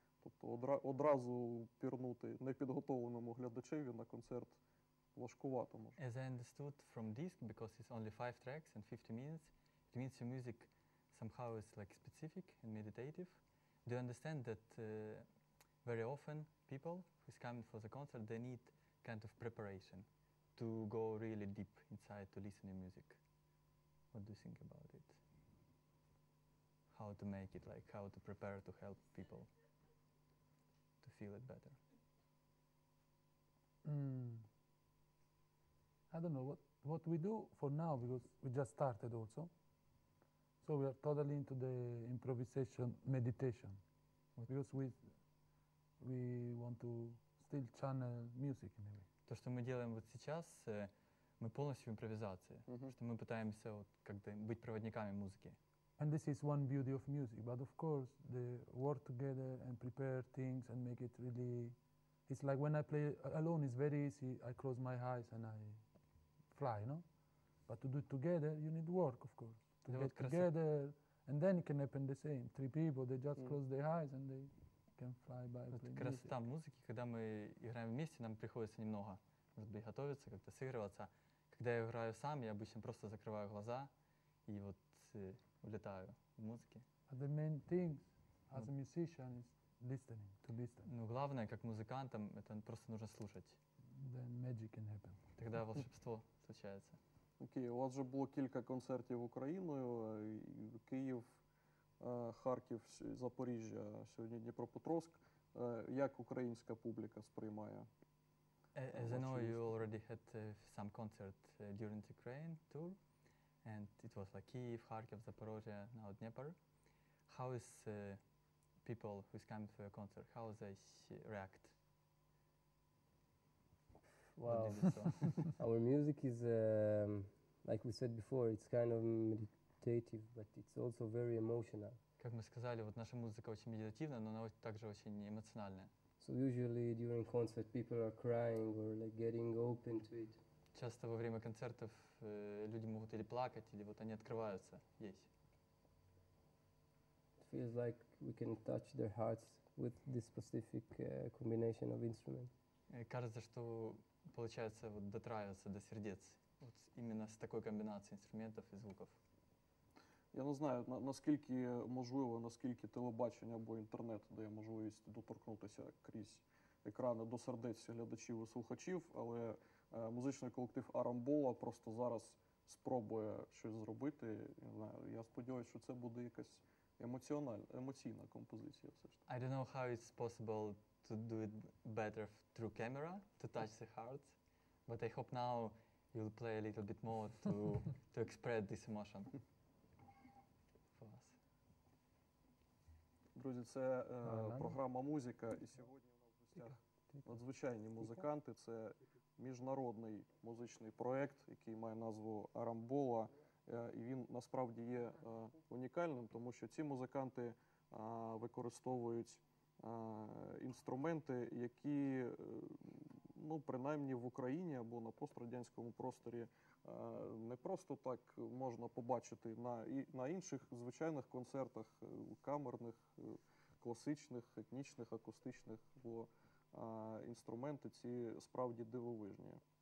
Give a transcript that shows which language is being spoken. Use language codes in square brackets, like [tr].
[uk] Тобто одразу пірнути непідготовленому глядачеві на концерт важкувато, може. [en] As I understood from disc, because it's only 5 tracks and 50 minutes, it means your music somehow is like specific and meditative. Do you understand that very often people who's coming for the concert, they need kind of preparation to go really deep inside to listen to music? What do you think about it? how to make it, like how to prepare to help people to feel it better. I don't know what we do for now, because we just started also. So we are totally into the improvisation meditation, because we want to still channel music in a way. [ru] То, что мы делаем вот сейчас, мы полностью в импровизации, что мы пытаемся вот как-то быть проводниками музыки. [en] And this is one beauty of music, but of course, the work together and prepare things and make it really, it's like when I play alone, it's very easy, I close my eyes and I fly, no? But to do it together, you need work, of course. To get together, and then it can happen the same. Three people, they just close their eyes and they can fly by. [ru] Вот красота музыки, когда мы играем вместе, нам приходится немного, может быть, готовиться, как-то сыгрываться. Когда я играю сам, я обычно просто закрываю глаза и вот улетаю в музыке. [en] But the main thing as a musician is listening, to listen. [ru] Ну, главное, как музыкантам, это просто нужно слушать. [en] Then magic can happen. [ru] Тогда волшебство случается. [uk] Окей, у вас же було кілька концертів Україною, Київ, Харків, Запоріжжя, сьогодні Дніпропетровськ. Як українська публіка сприймає? [en] As I know, you already had some concert during the Ukraine tour, and it was like Kyiv, Kharkiv, Zaporozhye, now Dnieper. How is people who is coming for your concert, how they react? Well, our music is, like we said before, it's kind of meditative, but it's also very emotional. [ru] Как мы сказали, вот наша музыка очень медитативна, но она также очень эмоциональная. [en] So usually during concert people are crying or like getting open to it. [ru] Часто во время концертов люди могут или плакать, или вот они открываются. [en] It feels like we can touch their hearts with this specific combination of instruments. [ru] Кажется, что получается вот дотравиться до сердец вот именно с такой комбинацией инструментов и звуков. [uk] Я не знаю, наскільки можливо, наскільки телебачення або інтернет дає можливість доторкнутися крізь екрани до сердець глядачів і слухачів, але музичний колектив Арамбола просто зараз спробує щось зробити. Я не знаю, я сподіваюся, що це буде якась емоційна композиція все ж таки. [en] I don't know how it's possible to do it better through camera, to touch the heart. But I hope now you'll play a little bit more to express this emotion for us. [uk] Друзі, це програма «Музика», і сьогодні у нас в гостях надзвичайні музиканти. Це міжнародний музичний проєкт, який має назву «Арамбола». І він насправді є унікальним, тому що ці музиканти використовують інструменти, які, ну, принаймні в Україні або на пострадянському просторі не просто так можна побачити на інших звичайних концертах, камерних, класичних, етнічних, акустичних, бо інструменти ці справді дивовижні.